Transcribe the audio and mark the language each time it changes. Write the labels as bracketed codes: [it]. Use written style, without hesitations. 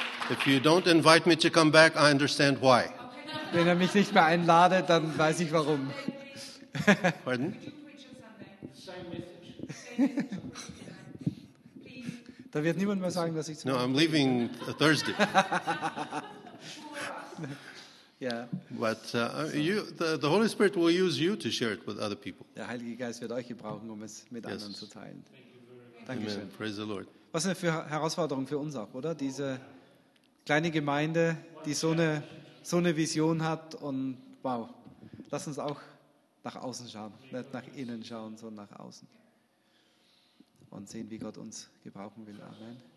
[en] If you don't invite me to come back, I understand why. [de] Wenn er mich nicht mehr einladet, dann weiß ich warum. [en] Pardon? [de] Da wird niemand mehr sagen, dass ich. [en] No, I'm leaving Thursday. Yeah. But the Holy Spirit will use you to share it with other people. [de] Der Heilige Geist wird euch gebrauchen, um es mit anderen zu teilen. Danke schön. [en] Praise the Lord. [de] Was eine Herausforderung für uns auch, oder? Diese kleine Gemeinde, die so eine Vision hat und wow, lass uns auch nach außen schauen, nicht nach innen schauen, sondern nach außen und sehen, wie Gott uns gebrauchen will. Amen.